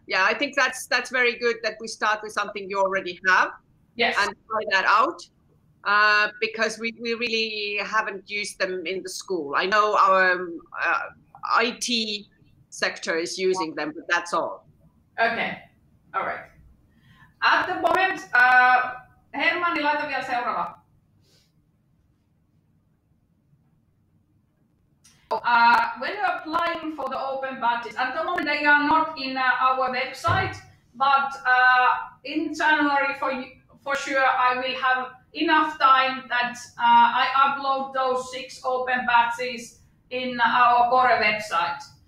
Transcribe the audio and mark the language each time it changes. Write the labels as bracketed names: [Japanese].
[English] I think that's very good that we start with something you already have. Yes. And try that out. Because we really haven't used them in the school. I know our IT sector is using them, but that's all. Okay, all right. At the moment, Hermanni, [Finnish] laita vielä seuraava. [English] When you're applying for the open badges, at the moment they are not in our website, but in January for sure I will have enough time that I upload those six open batches in our Core website.